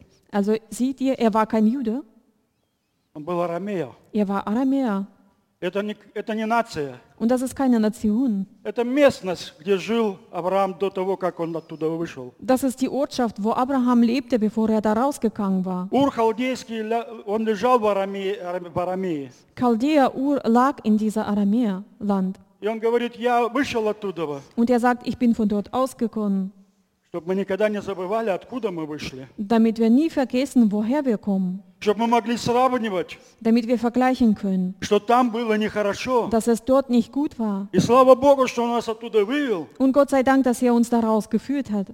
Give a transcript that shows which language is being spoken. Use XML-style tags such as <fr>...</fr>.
<de>Also seht ihr, er war kein Jude. Er war Aramäer.</de> <ru>Это не нация.</ru> <de>Und das ist keine Nation.</de> <ru>Это местность, где жил Авраам до того, как он оттуда вышел.</ru> <de>Das ist die Ortschaft, wo Abraham lebte, bevor er da rausgegangen war.</de> <ru>Ur Chaldeский, он лежал в Арамее.</ru> <de>Chaldea Ur lag in dieser Aramäer Land.</de> <ru>И он говорит, я вышел оттуда.</ru> <de>Und er sagt, ich bin von dort ausgekommen.</de> <ru>Чтобы мы никогда не забывали, откуда мы вышли.</ru> <de>Damit wir nie vergessen, woher wir kommen.</de> <ru>Чтобы мы могли сравнивать.</ru> <de>Damit wir vergleichen können.</de> <ru>Что там было нехорошо.</ru> <de>Dass es dort nicht gut war.</de> <ru>И слава Богу, что он нас оттуда вывел.</ru> <de>Und Gott sei Dank, dass er uns da rausgeführt hat.</de>